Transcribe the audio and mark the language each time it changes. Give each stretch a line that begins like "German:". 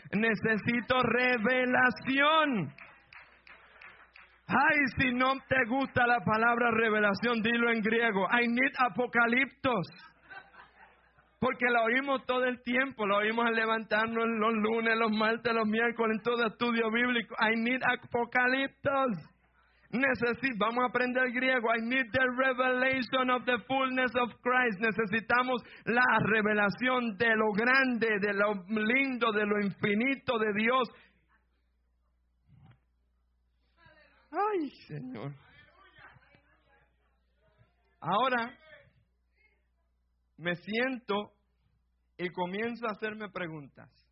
Spanish: Necesito revelación. Ay, si no te gusta la palabra revelación, dilo en griego,
English: I need
Spanish: apocalipsis. Porque la oímos todo el tiempo, la oímos al levantarnos los lunes, los martes, los miércoles, en todo estudio bíblico,
English: I need
Spanish: apocalipsis. Necesito, vamos a aprender el griego.
English: I need the revelation of the fullness of Christ.
Spanish: Necesitamos la revelación de lo grande, de lo lindo, de lo infinito de Dios. Ay, Señor. Ahora me siento y comienzo a hacerme preguntas.